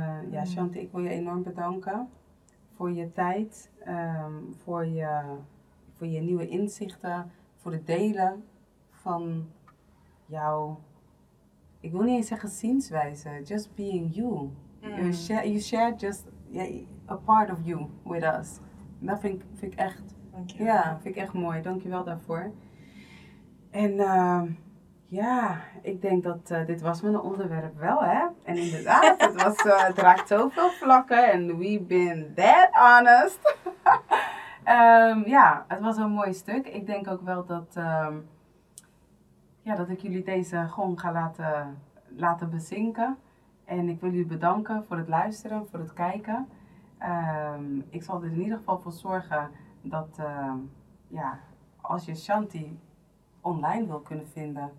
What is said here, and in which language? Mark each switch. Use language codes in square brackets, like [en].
[nl] Ja, Shanti, ik wil je enorm bedanken voor je tijd, voor je nieuwe inzichten, voor het delen van jouw, ik wil niet eens zeggen zienswijze, [en] just being you. You share just a part of you with us. [nl] Dat vind ik echt, ja, vind ik echt mooi. Dankjewel daarvoor. En ja, ik denk dat dit was mijn onderwerp wel, hè. En inderdaad, het raakt zoveel vlakken. [en] En we've been that honest. [nl] ja, het was een mooi stuk. Ik denk ook wel dat, dat ik jullie deze gewoon ga laten bezinken. En ik wil jullie bedanken voor het luisteren, voor het kijken. Ik zal er in ieder geval voor zorgen dat, als je Shanti online wil kunnen vinden.